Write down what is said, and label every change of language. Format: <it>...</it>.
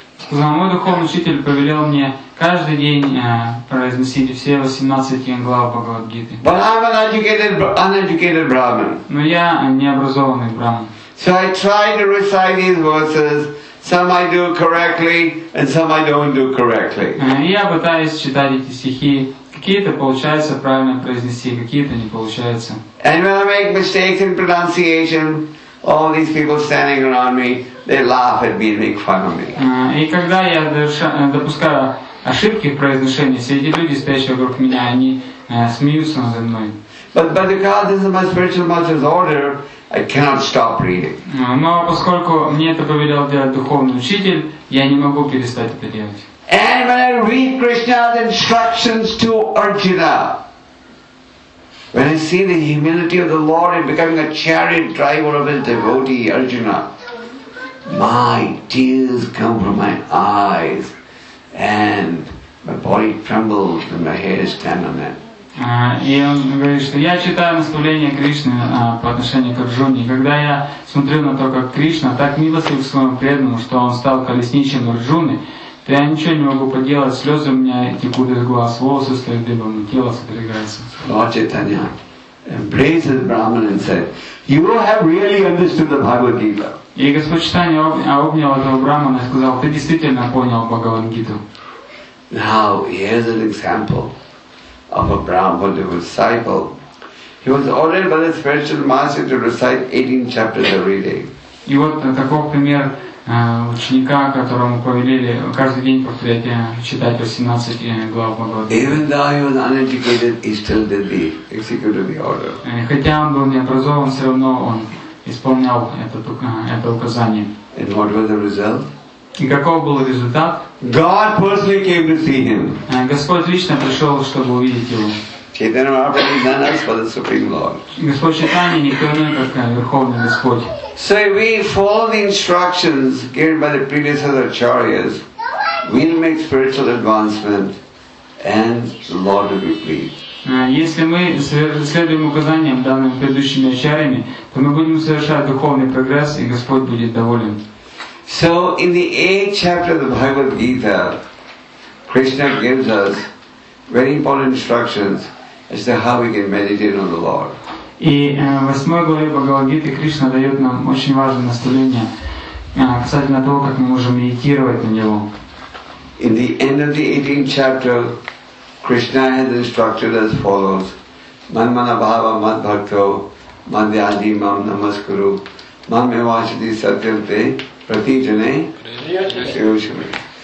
<ru>Мой духовный учитель повелел мне каждый день произносить все 18 глав Бхагавад-гиты. Но я необразованный брахман.</ru> <en>So I try to recite these verses. Some I do correctly, and some I don't do correctly.</en> <ru>Я пытаюсь читать эти стихи. Какие-то получается правильно произнести, какие-то не получается.</ru> <en>And when I make mistakes in pronunciation, all these people standing around me, they laugh at me and make fun of me.</en> <ru>И когда я допускаю ошибки в произношении, все эти люди, стоящие вокруг меня, они смеются надо мной.</ru> <en>But because this is my spiritual master's order, I cannot stop reading.</en> <ru>Но поскольку мне это повелел делать духовный учитель, я не могу перестать это делать.</ru> <en>And when I read Krishna's instructions to Arjuna, when I see the humility of the Lord in becoming a chariot driver of his devotee Arjuna, my tears come from my eyes, and my body trembles, and my hair stands on end.</en> <ru>И он говорит, что я читаю наставления Кришны по отношению к Арджуне. И когда я смотрю на то, как Кришна так милостив к своему преданному, что он стал колесничем Арджуны, то я ничего не могу поделать. Слезы у меня текут из глаз, волосы стоят дыбом, тело содрогается.</ru> <en>Lord Chaitanya embraces Brahman and said, "You have really understood the Bhagavad Gita."</en> <ru>И Господь Читания обнял этого Брахмана и сказал, "Ты действительно понял Бхагавад-гиту."</ru> <en>Now here's an example of a Brahman disciple. He was ordered by the spiritual master to recite 18 chapters every day.</en> <ru>И вот такой пример ученика, которому повелели каждый день повторять читать 18 глав Бхагавад-гиты.</ru> <en>Even though he was uneducated, he still did the executed the order.</en> <ru>Хотя он был необразован, все равно он исполнял это указание.</ru> <en>And what was the result?</en> <ru>И каков был результат?</ru> <en>God personally came to see him.</en> <ru>Господь лично пришел, чтобы увидеть его.</ru> <en>Chaitanya Mahaprabhu sent us for the Supreme Lord.</en> <ru>Господь Чайтанья никто иной, как Верховный Господь.</ru> <en>So if we follow the instructions given by the previous acharyas, we'll make spiritual advancement and the Lord will be pleased.</en> <ru>Если мы следуем указаниям, данным предыдущими ачарьями, то мы будем совершать духовный прогресс, и Господь будет доволен.</ru> <en>So in the 8th chapter of the Bhagavad Gita, Krishna gives us very important instructions as to how we can meditate on the Lord.</en> <ru>И в 8 главе Бхагавад Гиты Кришна дает нам очень важное наставление касательно того, как мы можем медитировать на Него.</ru> <en>In the end of the 18th chapter, Krishna has instructed as follows:</en> <sa>Man mana bhava mad bhakto mad yadi mam namaskuru mam evashti satyante pratijane sevashme.</sa>